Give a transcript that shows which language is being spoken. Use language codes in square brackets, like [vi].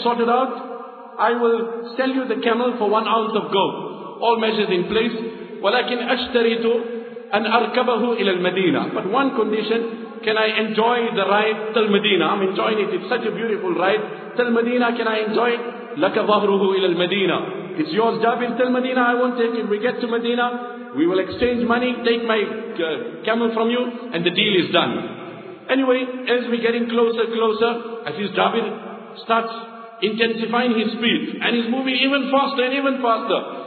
[en] Sort it out. I will sell you the camel for 1 ounce of gold. All measures in place. [ar] وَلَكِنْ أَشْتَرِيتُ أَنْ أَرْكَبَهُ إِلَى الْمَدِينَةِ [en] But one condition, can I enjoy the ride till Medina? I'm enjoying it. It's such a beautiful ride. Till Medina, can I enjoy it? [ar] لَكَ ظَهْرُهُ إِلَى الْمَدِينَةِ [en] It's yours, Jabir. Till Medina, I won't take it. We get to Medina, we will exchange money, take my camel from you, and the deal is done. Anyway, as we're getting closer, as his Jabir starts intensifying his speed, and he's moving even faster and even faster.